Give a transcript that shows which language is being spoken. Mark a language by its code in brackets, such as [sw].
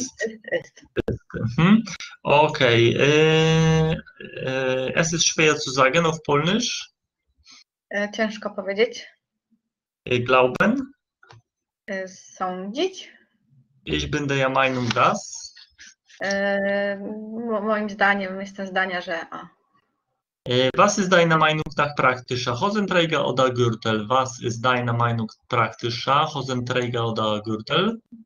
[de] Ist. Okay. Es ist schwer zu sagen auf Polnisch. [pl] Ciężko powiedzieć. [de] Glauben. [pl] Sądzić. [de] Ich bin der Meinung, dass. [pl] Moim zdaniem, jestem zdania, że. [de] Was ist deine Meinung nach praktischer? Hosenträger oder Gürtel? Was ist deine Meinung praktischer? Hosenträger oder Gürtel?